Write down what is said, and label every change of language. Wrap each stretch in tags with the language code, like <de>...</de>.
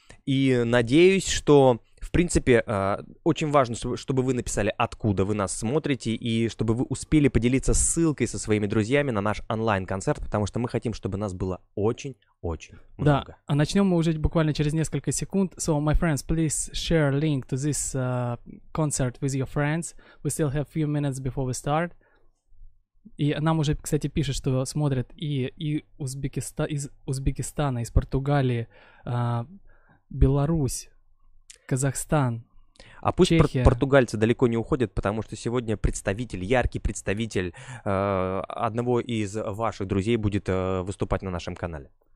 <ru>И надеюсь, что, в принципе, очень важно, чтобы вы написали, откуда вы нас смотрите, и чтобы вы успели поделиться ссылкой со своими друзьями на наш онлайн-концерт, потому что мы хотим, чтобы нас было очень-очень много. Да, а начнем мы уже буквально через несколько секунд.</ru> <en>So, my friends, please share link to this concert with your friends. We still have few minutes before we start.</en> <ru>И нам уже, кстати, пишут, что смотрят и из Узбекистана, из Португалии, Беларусь, Казахстан, а пусть Чехия. Португальцы далеко не уходят, потому что сегодня представитель, яркий представитель одного из ваших друзей будет выступать на нашем канале.</ru>